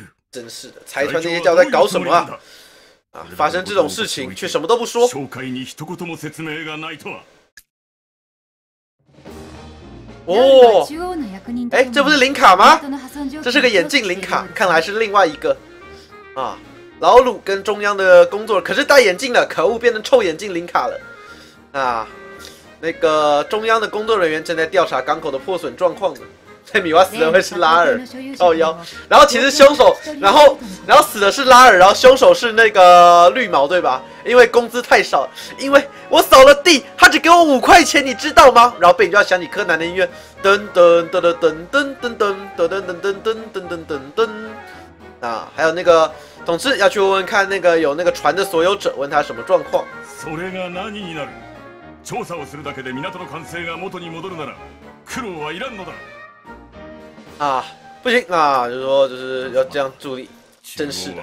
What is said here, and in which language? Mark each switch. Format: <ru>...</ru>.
<zh>真是的，财团那些家伙在搞什么啊？啊，发生这种事情却什么都不说。</zh> <ja>紹介に一言も説明がないとは。</ja> <zh>哦，哎，这不是林卡吗？这是个眼镜林卡，看来是另外一个。啊，老鲁跟中央的工作可是戴眼镜的，可恶，变成臭眼镜林卡了。啊，那个中央的工作人员正在调查港口的破损状况呢。在米娃死的会是拉尔，靠腰。然后其实凶手，然后死的是拉尔，然后凶手是那个绿毛，对吧？因为工资太少，因为我扫了地，他只给我五块钱，你知道吗？然后被你就要想起柯南的音乐，噔噔噔噔噔噔噔噔噔噔噔噔噔噔噔噔噔。啊，还有那个，总之要去问问看那个有那个船的所有者，问他什么状况。</zh> <ja>それが何になる？調査をするだけで港の完成が元に戻るなら、苦労はいらんのだ。</ja> <zh>啊，不行啊！就说就是要这样助力，真是的。</zh>